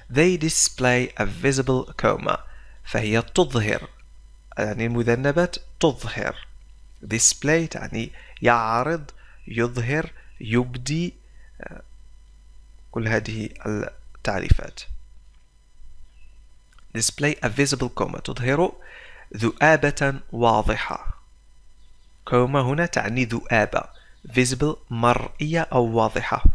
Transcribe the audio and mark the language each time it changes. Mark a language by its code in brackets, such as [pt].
[en] They display a visible coma، [ar] فهي تظهر يعني المذنبات تظهر. Display تعني يعرض يظهر يبدي كل هذه التعريفات. [en] Display a visible coma [ar] تظهر ذؤابة واضحة. Coma هنا تعني ذؤابة. Visible مرئية أو واضحة.